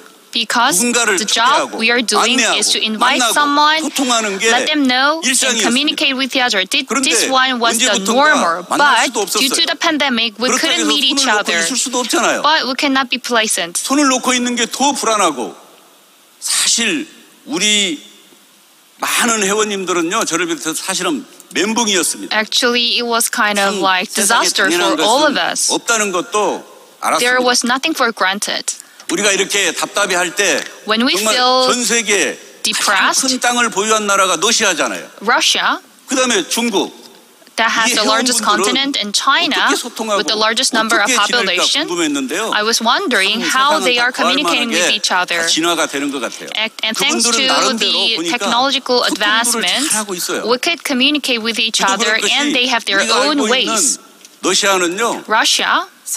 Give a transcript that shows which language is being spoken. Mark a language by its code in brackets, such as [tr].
[en] Because the job we are doing is to invite someone, let them know, and communicate with each other. This one was the normal, but due to the pandemic, we couldn't meet each other. But we cannot be pleasant. [ko] 손을 놓고 있는 게 더 불안하고 사실. 우리 많은 회원님들은요, 저를 비롯해서 사실은 멘붕이었습니다. [en] Actually, it was kind of like disaster for all of us. [ko] 없다는 것도 알았습니다. [en] There was nothing for granted. [ko] 우리가 이렇게 답답해 할 때, [en] When we [ko] 정말 [en] feel [ko] 전 세계에 [en] depressed, [ko] 큰 땅을 보유한 나라가 러시아잖아요. [en] Russia. [ko] 그다음에 중국. [en] That has the largest continent in China with the largest number of population. I was wondering how they are communicating with each other. And thanks to the technological advancement, we could communicate with each other and they have their own ways. Russia.